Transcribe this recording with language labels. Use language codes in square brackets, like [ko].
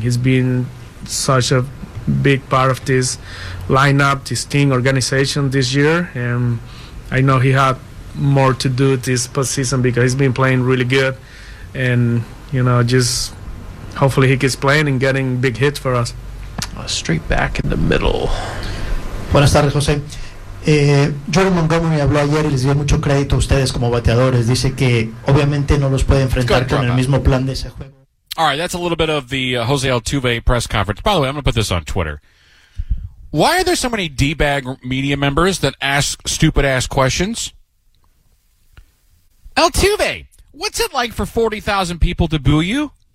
[en] He's been such a big part of this lineup, this team organization this year. And I know he had more to do this postseason because he's been playing really good. And, you know, just hopefully he keeps playing and getting big hits for us. Straight back in the middle. [es] Buenas tardes, José. Jordan Montgomery habló ayer y les dio mucho crédito a ustedes como bateadores. Dice que obviamente no los puede enfrentar con el mismo plan de ese juego. [en] All right, that's a little bit of the Jose Altuve press conference. By the way, I'm going to put this on Twitter. Why are there so many D-bag media members that ask stupid-ass questions? Altuve, what's it like for 40,000 people to boo you?